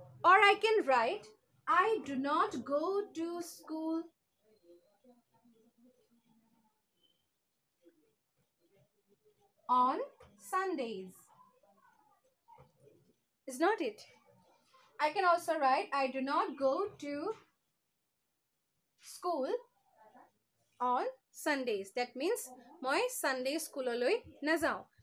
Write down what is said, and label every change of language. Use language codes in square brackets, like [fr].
[en] Or I can write I do not go' to school on Sundays, is not it? I can also write I do not go to school on Sundays. That means [as] মই Sunday স্কুললৈ নাযাওঁ।